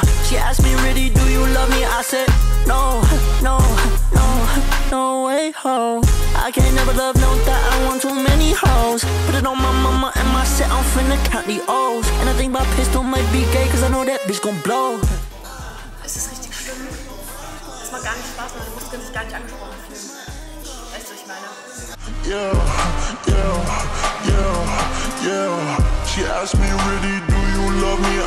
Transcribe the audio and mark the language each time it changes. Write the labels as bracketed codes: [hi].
[en] She asked me, really, do you love me? I said, no, no, no, no way, ho. I can't never love, no, that I want too many hoes. Put it on my mama and my set, I'm finna count the O's. And I think my pistol might be gay, cause I know that bitch gon' blow. [de] Es ist richtig schlimm. Es macht gar nicht Spaß, meine Muskeln sich gar nicht angesprochen fühlen. Weißt du, was ich meine? [en] Yeah, yeah, yeah, yeah. She asked me, really, do you love me?